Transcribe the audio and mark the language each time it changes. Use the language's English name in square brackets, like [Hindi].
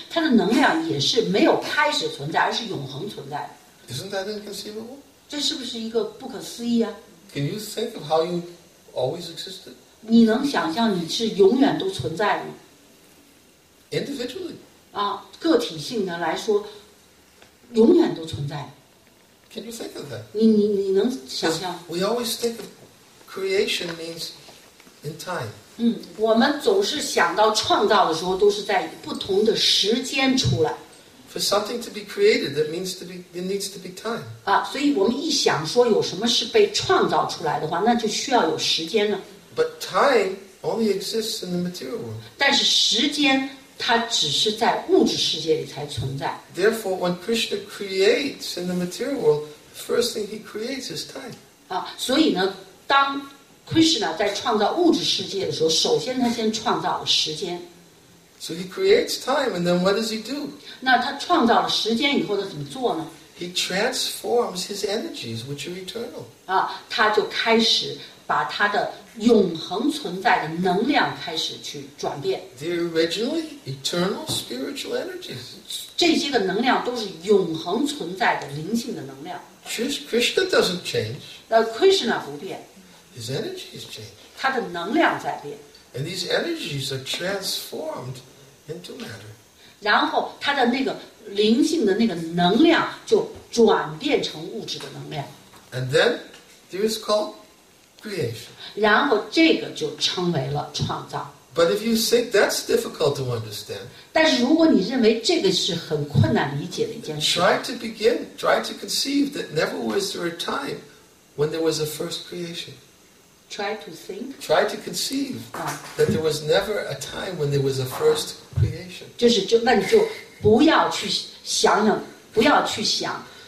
[Chinese] 他的能量也是没有开始存在，而是永恒存在。 [English] Isn't that inconceivable? [Chinese] 这是不是一个不可思议啊？ [English] Can you think of how you always existed? [Chinese] 你能想象你是永远都存在的？ [English] Individually. [Chinese] 个体性的来说，永远都存在。 [English] Can you think of that? [Chinese] 你能想象？ [English] We always think of creation means in time. [Chinese] 我们总是想到创造的时候，都是在不同的时间出来。 [English] For something to be created, that means to be, there needs to be time. [Chinese] 啊，所以我们一想说有什么是被创造出来的话，那就需要有时间了。 [English] But time only exists in the material world. [Chinese] 但是时间它只是在物质世界里才存在。 [English] Therefore, when Krishna creates in the material world, the first thing he creates is time. [Chinese] 啊，所以呢，当 Krishna 在创造物质世界的时候，首先他先创造了时间。 [English] So he creates time, and then what does he do? [Chinese] 那他创造了时间以后，他怎么做呢？ [English] He transforms his energies, which are eternal. [Chinese] 啊，他就开始把他的永恒存在的能量开始去转变。 [English] They're originally eternal spiritual energies. [Chinese] 这些个能量都是永恒存在的灵性的能量。 [English] Krishna doesn't change. [Chinese] 那 Krishna 不变。 [English] His energy is changed. [Chinese] 他的能量在变。 [English] And these energies are transformed into matter. [Chinese] 然后他的那个灵性的那个能量就转变成物质的能量。 [English] And then there is called creation. [Chinese] 然后这个就称为了创造。 [English] But if you think that's difficult to understand, [Chinese] 但是如果你认为这个是很困难理解的一件事， [English] try to conceive that never was there a time when there was a first creation. Try to conceive that there was never a time when there was a first creation. [Chinese] 就是就那你就不要去想想，不要去想。